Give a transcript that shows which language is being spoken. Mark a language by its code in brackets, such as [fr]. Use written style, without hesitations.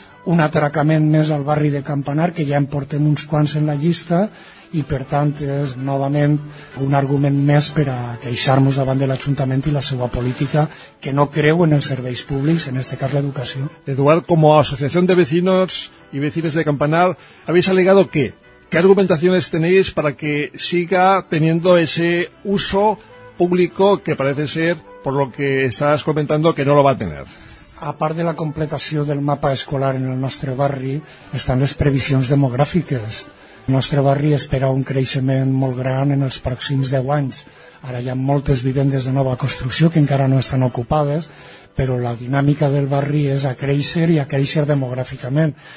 [ca] un atracament més al barri de Campanar, que ja en portem uns quants en la llista, i per tant és novament un argument més per a queixar-nos davant de l'Ajuntament i la seva política, que no creu en els serveis públics, en este cas l'educació. Eduard, com a associació de veïns i veïnes de Campanar, [es] ¿habéis alegado qué? ¿Qué argumentaciones tenéis para que siga teniendo ese uso público que parece ser, por lo que estás comentando, que no lo va a tener? [ca] A part de la completació del mapa escolar en el nostre barri, estan les previsions demogràfiques. El nostre barri espera un creixement molt gran en els pròxims 10 anys. Ara hi ha moltes vivendes de nova construcció que encara no estan ocupades, però la dinàmica del barri és a créixer i a créixer demogràficament.